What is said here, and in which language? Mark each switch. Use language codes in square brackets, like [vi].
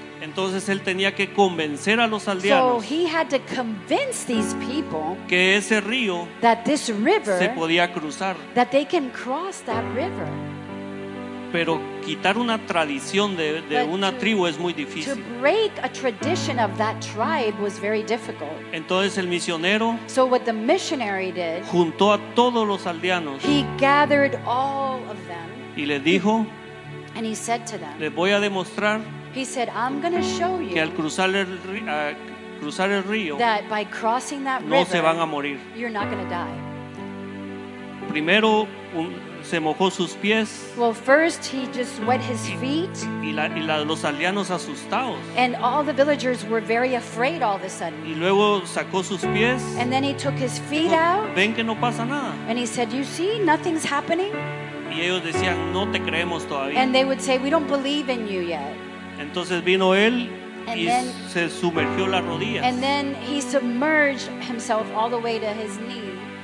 [es] Entonces él tenía que convencer a los aldeanos, [en] so he had to convince these people, [es] que ese río, [en] that this river, [es] se podía cruzar. [en] That they can cross that river. [es] Pero quitar una tradición de una tribu es muy difícil. [en] To break a tradition of that tribe was very difficult. [es] Entonces el misionero, [en] so what the missionary did, [es] juntó a todos los aldeanos, [en] he gathered all of them, [es] y le dijo, [en] and he said to them, [es] les voy a demostrar, [en] he said, I'm gonna show you, [es] que al cruzar el río, [en] that by crossing that [es] no [en] river, [es] se van a morir. [en] You're not gonna die. [es] Primero se mojó sus pies. [en] Well, first he just wet his feet. [es] Y los aldeanos asustados. [en] And all the villagers were very afraid all of a sudden. [es] Y luego sacó sus pies. [en] And then he took his feet out. [es] Ven que no pasa nada. [en] And he said, you see, nothing's happening. [es] Y ellos decían, no te creemos todavía. [en] And they would say, we don't believe in you yet. [es] Entonces vino él y se sumergió las rodillas. [en] And then he submerged himself all the way to his knees.